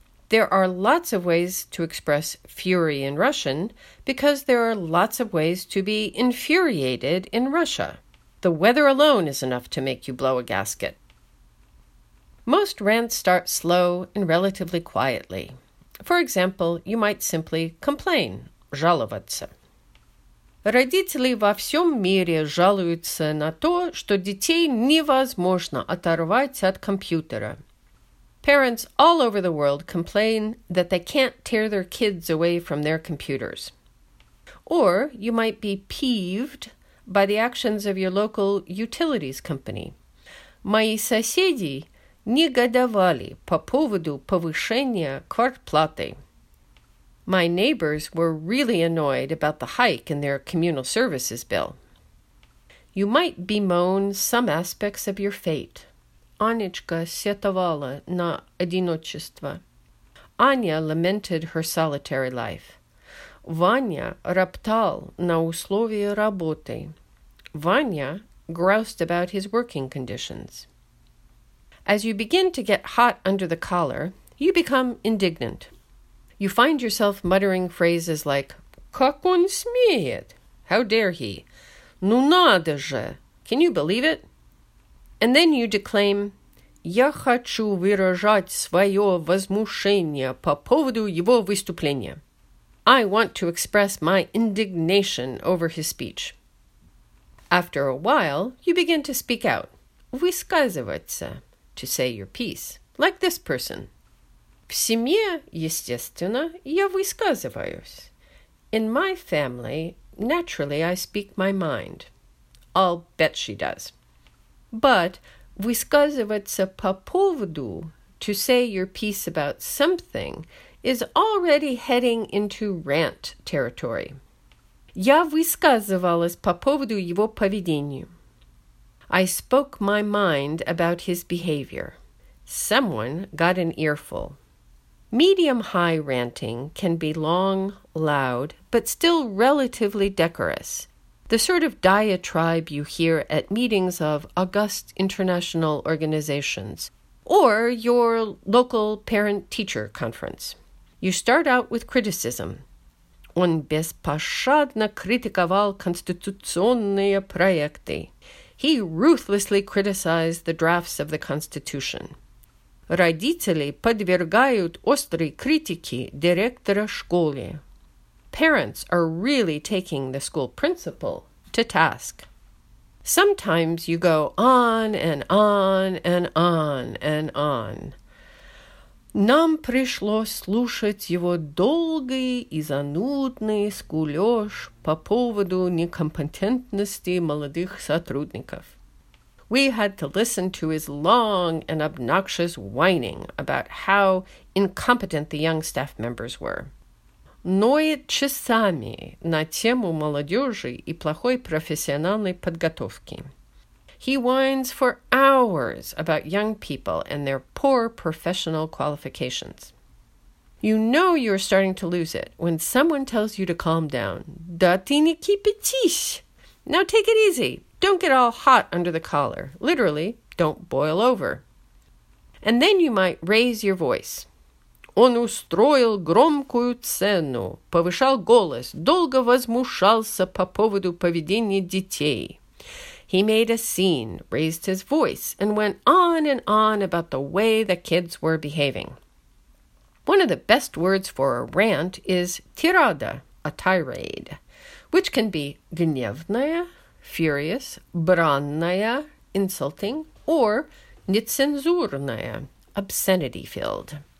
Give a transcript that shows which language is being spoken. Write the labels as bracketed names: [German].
[English] There are lots of ways to express fury in Russian because there are lots of ways to be infuriated in Russia. The weather alone is enough to make you blow a gasket. Most rants start slow and relatively quietly. For example, you might simply complain, жаловаться. [Russian] Родители во всем мире жалуются на то, что детей невозможно оторвать от компьютера. [English] Parents all over the world complain that they can't tear their kids away from their computers. Or you might be peeved by the actions of your local utilities company. [Russian] Мои соседи негодовали по поводу повышения квартплаты. [English] My neighbors were really annoyed about the hike in their communal services bill. You might bemoan some aspects of your fate. [Russian] Анечка сетовала на одиночество. [English] Аня lamented her solitary life. [Russian] Ваня роптал на условия работы. [English] Ваня groused about his working conditions. As you begin to get hot under the collar, you become indignant. You find yourself muttering phrases like, [Russian] Как он смеет? [English] How dare he? [Russian] Ну надо же! [English] Can you believe it? And then you declaim, [Russian] Я хочу выражать свое возмущение по поводу его выступления. [English] I want to express my indignation over his speech. After a while, you begin to speak out. [Russian] Высказываться, [English] to say your piece, like this person. [Russian] В семье, естественно, я высказываюсь. [English] In my family, naturally, I speak my mind. I'll bet she does. But [Russian] высказываться по поводу, [English] to say your piece about something, is already heading into rant territory. [Russian] Я высказывалась по поводу его поведения. [English] I spoke my mind about his behavior. Someone got an earful. Medium-high ranting can be long, loud, but still relatively decorous. The sort of diatribe you hear at meetings of august international organizations or your local parent-teacher conference. You start out with criticism. [Russian] Он беспощадно критиковал конституционные проекты. [English] He ruthlessly criticized the drafts of the Constitution. [Russian] Родители подвергают острой критике директора школы. [English] Parents are really taking the school principal to task. Sometimes you go on and on and on and on. [Russian] Нам пришлось слушать его долгий и занудный скулёж по поводу некомпетентности молодых сотрудников. [English] We had to listen to his long and obnoxious whining about how incompetent the young staff members were. [Russian] Ноет часами на тему молодежи и плохой профессиональной подготовки. [English] He whines for hours about young people and their poor professional qualifications. You know you're starting to lose it when someone tells you to calm down. [Russian] Да ты не кипятись! [English] Now take it easy. Don't get all hot under the collar. Literally, don't boil over. And then you might raise your voice. [Russian] Он устроил громкую сцену, повышал голос, долго возмущался по поводу поведения детей. [English] He made a scene, raised his voice, and went on and on about the way the kids were behaving. One of the best words for a rant is tirada, a tirade, which can be гневная, furious, бранная, insulting, or нецензурная, obscenity-filled.